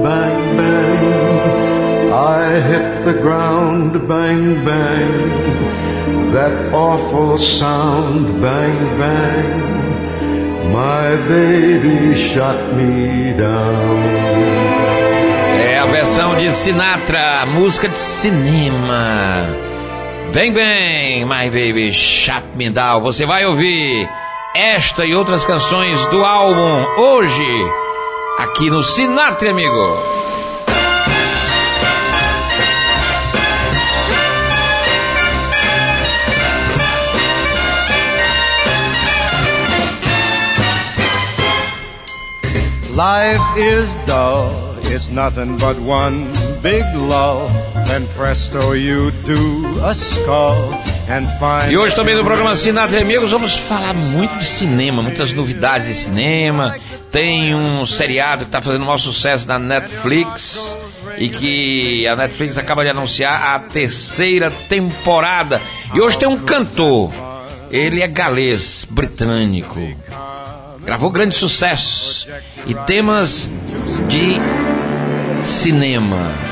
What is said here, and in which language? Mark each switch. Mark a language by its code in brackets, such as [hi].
[en] Bang, bang, I hit the ground. Bang, bang, that awful sound. Bang, bang, my baby shut me down. [pt] É a versão de Sinatra, música de cinema. [en] Bang, bang, my baby shut me down. [pt] Você vai ouvir esta e outras canções do álbum hoje, aqui no Sinatra, amigo. [en] Life is dull, it's nothing but one big lull, then presto you do a skull. [pt] E hoje também no programa Sinatra e Amigos vamos falar muito de cinema, muitas novidades de cinema. Tem um seriado que está fazendo o maior sucesso na Netflix e que a Netflix acaba de anunciar a terceira temporada. E hoje tem um cantor, ele é galês, britânico, gravou grandes sucessos e temas de cinema.